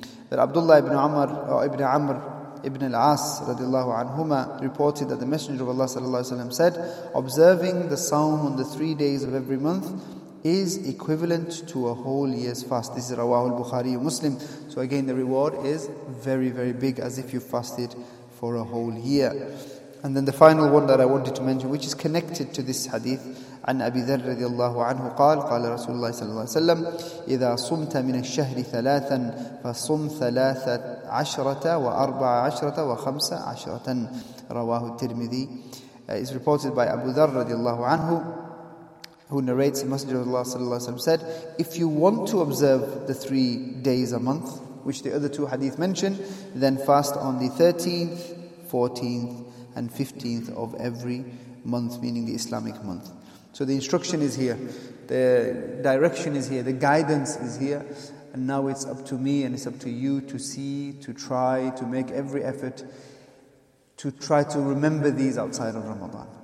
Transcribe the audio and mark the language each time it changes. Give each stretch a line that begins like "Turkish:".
English: That Abdullah ibn Amr or ibn Amr ibn al-As radiallahu anhuma reported that the Messenger of Allah sallallahu alayhi wa sallam said, observing the sawm on the 3 days of every month is equivalent to a whole year's fast. This is Rawahu al-Bukhari Muslim. So again, the reward is very, very big, as if you fasted for a whole year. And then the final one that I wanted to mention, which is connected to this hadith,
Arabic: عن أبي ذر رضي الله عنه قال قال رسول الله صلى الله عليه وسلم إذا صمت من الشهر ثلاثا فصم 13 و14 و15. رواه الترمذي.
English: Is reported by Abu Dharr
Arabic: رضي الله عنه
English: who narrates, the Messenger of Allah sallallahu alaihi wasallam said, if you want to observe the 3 days a month, which the other two hadith mention, then fast on the 13th, 14th, and 15th of every month, meaning the Islamic month. So the instruction is here, the direction is here, the guidance is here, and now it's up to me and it's up to you to see, to try, to make every effort to try to remember these outside of Ramadan.